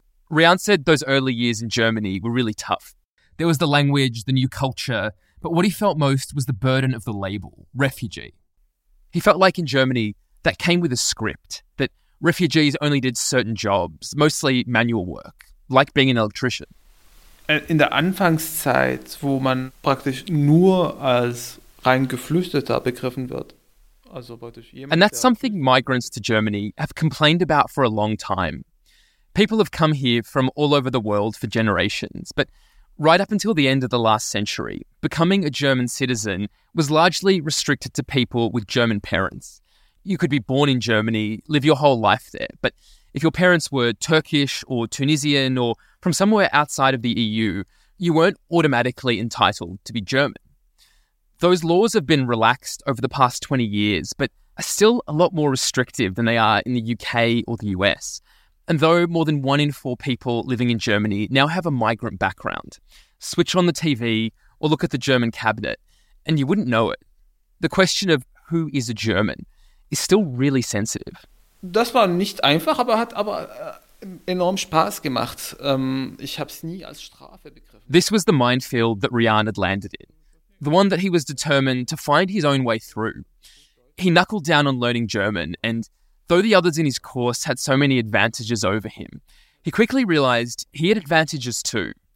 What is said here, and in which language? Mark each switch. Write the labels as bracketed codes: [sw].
[en] Rian said those early years in Germany were really tough. There was the language, the new culture, but what he felt most was the burden of the label, refugee. He felt like in Germany, that came with a script, that refugees only did certain jobs, mostly manual work. Like being an electrician. [de] In der Anfangszeit, wo man praktisch nur als rein Geflüchteter begriffen wird. Also praktisch jemand, [en] and that's something migrants to Germany have complained about for a long time. People have come here from all over the world for generations, but right up until the end of the last century, becoming a German citizen was largely restricted to people with German parents. You could be born in Germany, live your whole life there, but if your parents were Turkish or Tunisian or from somewhere outside of the EU, you weren't automatically entitled to be German. Those laws have been relaxed over the past 20 years, but are still a lot more restrictive than they are in the UK or the US. And though more than 1 in 4 people living in Germany now have a migrant background, switch on the TV or look at the German cabinet, and you wouldn't know it. The question of who is a German is still really sensitive. [de] Das war nicht einfach, aber hat aber enorm Spaß gemacht. Ich habe es nie als Strafe begriffen. [en] This was the minefield that Rian had landed in. The one that he was determined to find his own way through. He knuckled down on learning German, and though the others in his course had so many advantages over him, he quickly realized he had advantages too.